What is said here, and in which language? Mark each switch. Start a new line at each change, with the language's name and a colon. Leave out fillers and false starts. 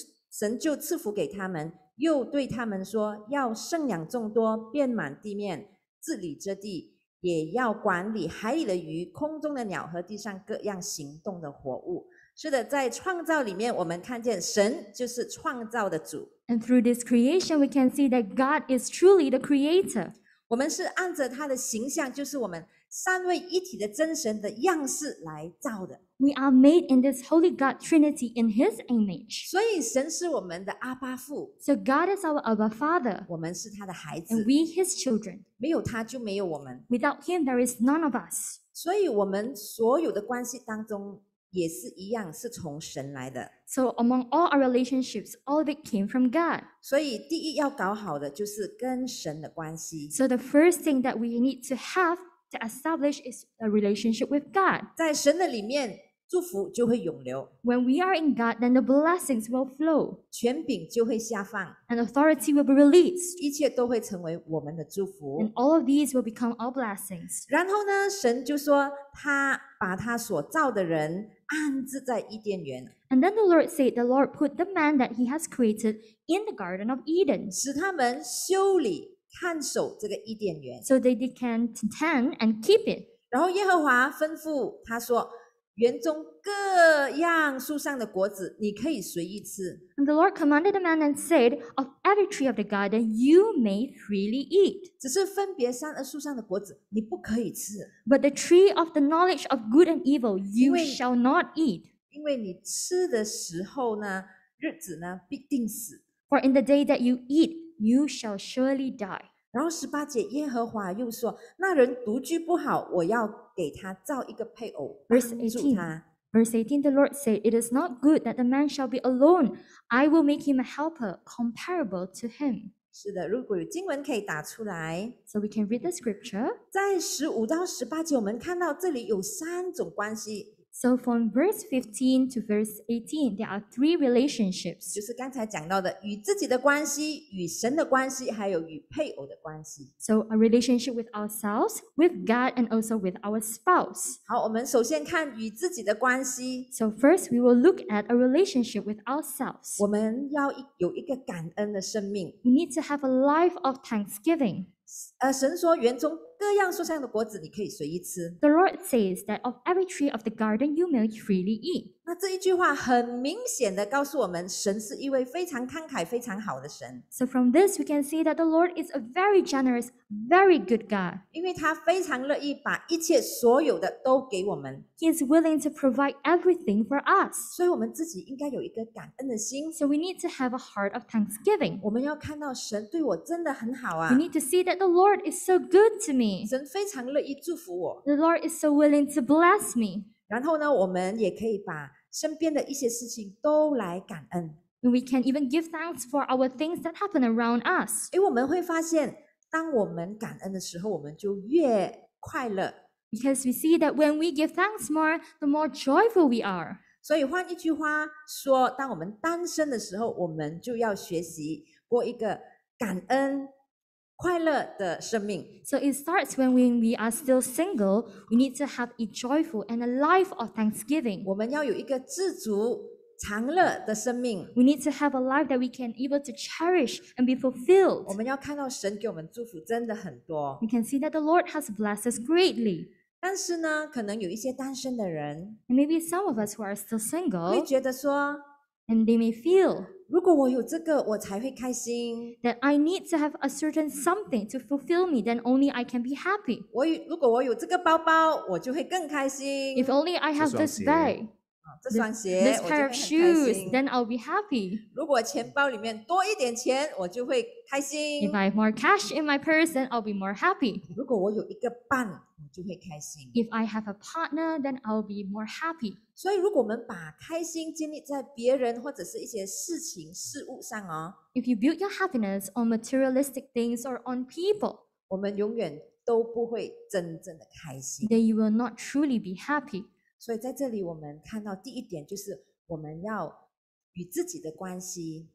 Chinese: 神就赐福给他们，又对他们说，要生养众多，遍满地面，治理这地，也要管理海里的鱼、空中的鸟和地上各样行动的活物。是的，在创造里面，我们看见神就是创造的主。
English: And through this creation, we can see that God is truly the creator.
Chinese: 我们是按着他的形象，就是我们三位一体的真神的样式来造的。
English: We are made in this holy God Trinity in His image.
Chinese: 所以神是我们的阿爸父。
English: So God is our Abba Father.
Chinese: 我们是他的孩子。
English: And we His children.
Chinese: 没有他就没有我们。
English: Without Him, there is none of us.
Chinese: 所以我们所有的关系当中也是一样，是从神来的。
English: So among all our relationships, all of it came from God.
Chinese: 所以第一要搞好的就是跟神的关系。
English: So the first thing that we need to have to establish is a relationship with God.
Chinese: 在神的里面，祝福就会涌流。
English: When we are in God, then the blessings will flow.
Chinese: 权柄就会下放。
English: And authority will be released.
Chinese: 一切都会成为我们的祝福。
English: And all of these will become our blessings.
Chinese: 然后呢，神就说他把他所造的人安置在伊甸园。
English: And then the Lord said, the Lord put the man that he has created in the Garden of Eden.
Chinese: 使他们修理看守这个伊甸园。
English: So that they can tend and keep it.
Chinese: 然后耶和华吩咐他说，园中各样树上的果子你可以随意吃。
English: And the Lord commanded the man and said, of every tree of the garden you may freely eat.
Chinese: 只是分别善恶树上的果子你不可以吃。
English: But the tree of the knowledge of good and evil you shall not eat.
Chinese: 因为你吃的时候呢，日子呢必定死。
English: For in the day that you eat, you shall surely die.
Chinese: 然后十八节耶和华又说，那人独居不好，我要给他造一个配偶帮助他。
English: Verse 18, the Lord said, it is not good that the man shall be alone. I will make him a helper comparable to him.
Chinese: 是的，如果有经文可以打出来。
English: So we can read the scripture.
Chinese: 在15到18节，我们看到这里有三种关系。
English: So from verse 15 to verse 18, there are three relationships.
Chinese: 就是刚才讲到的与自己的关系、与神的关系，还有与配偶的关系。
English: So a relationship with ourselves, with God, and also with our spouse.
Chinese: 好，我们首先看与自己的关系。
English: So first, we will look at a relationship with ourselves.
Chinese: 我们要有一个感恩的生命。
English: We need to have a life of thanksgiving.
Chinese: 神说园中各样树上的果子你可以随意吃。
English: The Lord says that of every tree of the garden you may freely eat.
Chinese: 那这一句话很明显的告诉我们，神是一位非常慷慨、非常好的神。
English: So from this we can see that the Lord is a very generous, very good God.
Chinese: 因为他非常乐意把一切所有的都给我们。
English: He is willing to provide everything for us.
Chinese: 所以我们自己应该有一个感恩的心。
English: So we need to have a heart of thanksgiving.
Chinese: 我们要看到神对我真的很好啊。
English: We need to see that the Lord is so good to me.
Chinese: 神非常乐意祝福我。
English: The Lord is so willing to bless me.
Chinese: 然后呢，我们也可以把身边的一些事情都来感恩。
English: And we can even give thanks for our things that happen around us.
Chinese: 因为我们会发现，当我们感恩的时候，我们就越快乐。
English: Because we see that when we give thanks more, the more joyful we are.
Chinese: 所以换一句话说，当我们单身的时候，我们就要学习过一个感恩快乐的生命。
English: So it starts when we are still single. We need to have a joyful and a life of thanksgiving.
Chinese: 我们要有一个知足常乐的生命。
English: We need to have a life that we can able to cherish and be fulfilled.
Chinese: 我们要看到神给我们祝福真的很多。
English: We can see that the Lord has blessed us greatly.
Chinese: 但是呢，可能有一些单身的人
English: ，and maybe some of us who are still single，
Chinese: 会觉得说
English: ，and they may feel。
Chinese: 如果我有这个，我才会开心。
English: That I need to have a certain something to fulfill me, then only I can be happy.
Chinese: 如果我有这个包包，我就会更开心。
English: If only I have this bag,
Chinese: 这双鞋，
English: this pair of shoes, then I'll be happy.
Chinese: 如果钱包里面多一点钱，我就会开心。
English: If I have more cash in my purse, then I'll be more happy.
Chinese: 如果我有一个伴，就会开心。
English: If I have a partner, then I'll be more happy.
Chinese: 所以如果我们把开心建立在别人或者是一些事情事物上哦。
English: If you build your happiness on materialistic things or on people,
Chinese: 我们永远都不会真正的开心。
English: Then you will not truly be happy.
Chinese: 所以在这里我们看到第一点就是我们要与自己的关系。